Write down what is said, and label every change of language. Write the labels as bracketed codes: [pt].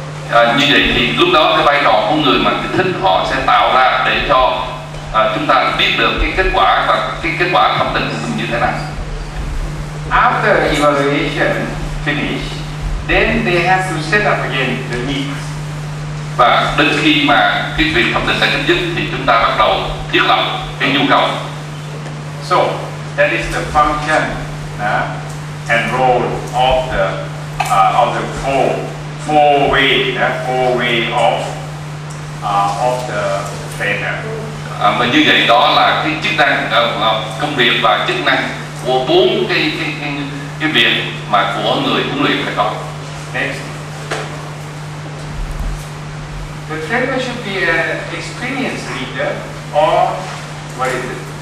[vi] Như vậy thì lúc đó cái vai trò của người mà thích họ sẽ tạo ra để cho chúng ta biết được cái kết quả và cái kết quả thẩm định của mình như thế nào. [en] After evaluation finish, then they have to set up again the needs. [vi] Và đến khi mà cái việc thẩm định đã kết thúc thì chúng ta bắt đầu thiết lập cái nhu cầu. [en] So that is the function and role of the four way of the trainer. [vi] Mà như vậy đó là cái chức năng công việc và chức năng của bốn cái việc mà của người huấn luyện phải có. [en] Next. The trainer should be an experienced leader or what is it?